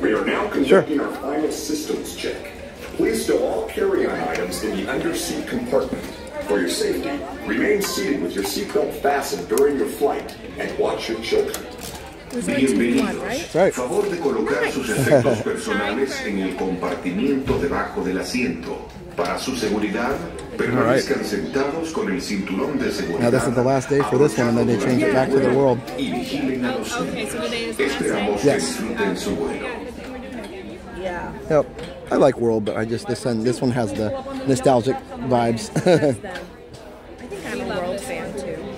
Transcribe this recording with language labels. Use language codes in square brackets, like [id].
[en] We are now conducting our final systems check. Please stow all carry-on items in the underseat compartment. For your safety, remain seated with your seatbelt fastened during your flight and watch your children. [es] Bienvenidos. [en] Right. [es] Por favor, de colocar sus efectos personales en el compartimiento debajo del asiento. Para su seguridad, permanezcan sentados con el cinturón de seguridad. [en] Now this is the last day for this one, and then they change it back to the world. Okay, so the day is the last day. [es] Esperamos que disfruten su vuelo. [en] Yep. I like World, but I just this one has the nostalgic vibes. I think I'm a World fan too.